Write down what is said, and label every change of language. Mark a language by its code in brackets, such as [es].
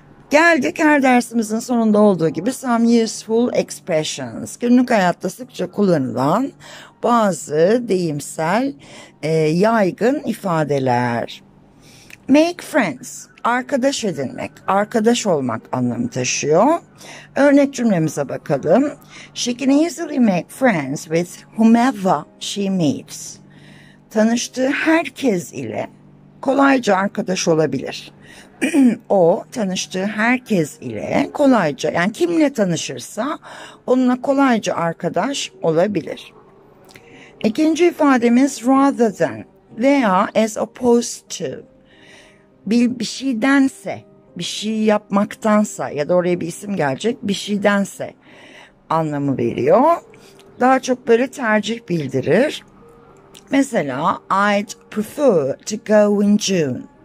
[tr] Geldik her dersimizin sonunda olduğu gibi some useful expressions. Günlük hayatta sıkça kullanılan bazı deyimsel yaygın ifadeler. Make friends, arkadaş edinmek, arkadaş olmak anlamı taşıyor. Örnek cümlemize bakalım. [en] She can easily make friends with whomever she meets. [tr] Tanıştığı herkes ile kolayca arkadaş olabilir. O tanıştığı herkes ile kolayca, yani kimle tanışırsa onunla kolayca arkadaş olabilir. İkinci ifademiz rather than veya as opposed to. Bir şeydense, bir şey yapmaktansa ya da oraya bir isim gelecek, bir şeydense anlamı veriyor. Daha çok böyle tercih bildirir. Mesela [en] I'd prefer to go in June.